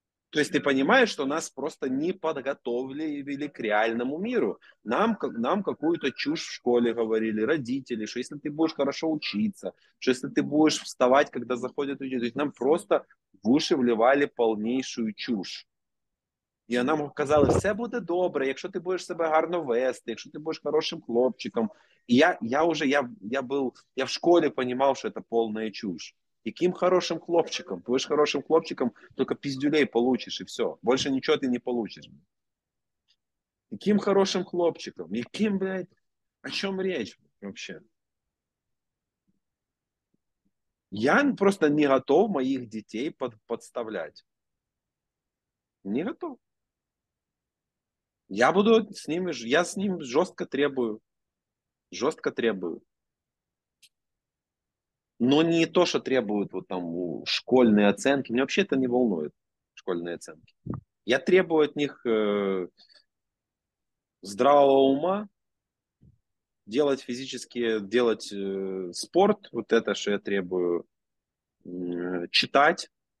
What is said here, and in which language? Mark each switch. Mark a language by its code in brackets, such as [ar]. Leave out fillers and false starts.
[ru] То есть ты понимаешь, что нас просто не подготовили к реальному миру. Нам какую-то чушь в школе говорили, родители, что если ты будешь хорошо учиться, что если ты будешь вставать, когда заходят люди, то есть нам просто в уши вливали полнейшую чушь. И нам казалось, все будет [uk] добре, якщо ти будеш себе гарно вести, якщо ти будеш хорошим хлопчиком. І я в школі розумів, що це повна чуш. Яким хорошим хлопчиком? Будеш хорошим хлопчиком, тільки піздюлей получиш, і все. Більше нічого ти не получиш. Яким хорошим хлопчиком? Яким, блядь, о чому річ взагалі? Я просто не готов моїх дітей подставляти. Не готов. [ru] Я буду с ними жестко требую. Но не то, что требуют вот там школьные оценки. Меня вообще это не волнует, школьные оценки. Я требую от них здравого ума, делать физические, делать спорт, вот это, что я требую, читать.